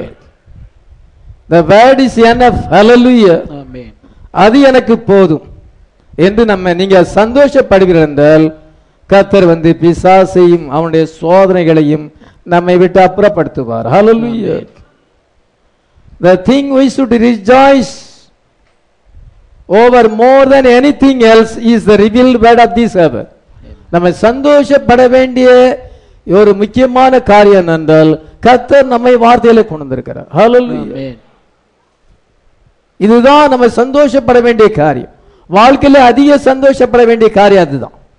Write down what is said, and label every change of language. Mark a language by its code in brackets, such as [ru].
[en] Hallelujah. The word is enough. Hallelujah. [ta] அது எனக்கு போதும் என்று நம்ம நீங்க சந்தோஷப்படுகிறீர்கள் என்றால் கத்தர் வந்து பிசாசையும் அவனுடைய சோதனைகளையும் நம்மை விட்டு அப்புறப்படுத்துவார். ஹல்லேலூயா. [en] The thing we should rejoice over more than anything else is the revealed word of this hour. [ta] நம்ம சந்தோஷப்பட வேண்டிய ஒரு முக்கியமான காரியம் என்றால் கத்தர் நம்மை வார்த்தையிலே கொண்டிருக்கிறார். ஹல்லேலூயா. இதுதான் நம்ம சந்தோஷப்பட வேண்டிய காரியம். வாழ்க்கையில அதிக சந்தோஷப்பட வேண்டிய காரியம் அதுதான்.